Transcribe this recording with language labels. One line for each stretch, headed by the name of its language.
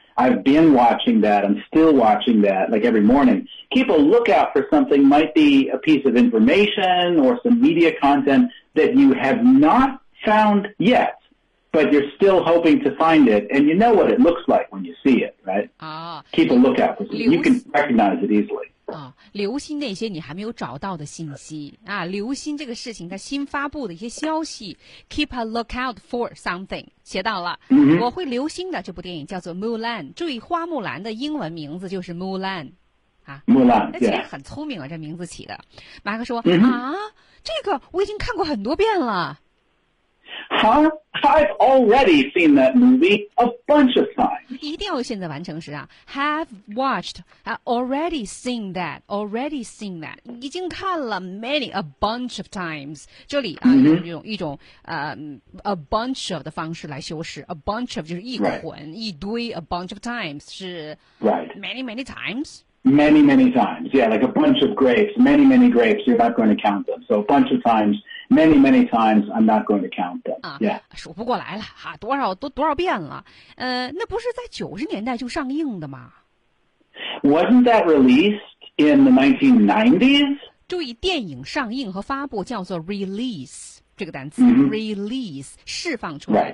English: I've been watching that. I'm still watching that, like every morning. Keep a lookout for something, might be a piece of information or some media content that you have not found yet. But you're still hoping to find it, and you know what it looks like when you see it, right?、Keep a lookout for something. You can recognize it easily.
Chinese: 啊，留心那些你还没有找到的信息啊，留心这个事情它新发布的一些消息。
English: Keep a lookout for something.
Chinese: 学到了， mm-hmm. 我会留心的。这部电影叫做《Mulan》，注意花木兰的英文名字就是 Mulan。啊，木兰，那其实很聪明啊，
English: yeah.
Chinese: 这名字起的。马克说、 mm-hmm. 啊，这个我已经看过很多遍了。 Huh?
English: I've already seen that movie a bunch of times.
Chinese: 一定要现在完成时啊
English: Have watched, already seen that, already seen that.
Chinese: 已经看了
English: many, a bunch of times.
Chinese: 这里啊、 mm-hmm. 用一种、a bunch of 的方式来修饰 A bunch of 就是一捆、
English: right.
Chinese: 一堆 a bunch of times 是 many, many times.
English: Many, many times. Yeah, like a bunch of grapes. Many, many grapes. You're not going to count them. So a bunch of times. Many, many times, I'm not going to count them.、Yeah.
Chinese: 数不过来了、啊、多少遍了、那不是在90年代就上映的吗
English: Wasn't that released in the 1990s?
Chinese: 注意电影上映和发布叫做 release 这个单词、 mm-hmm. release 释放出来、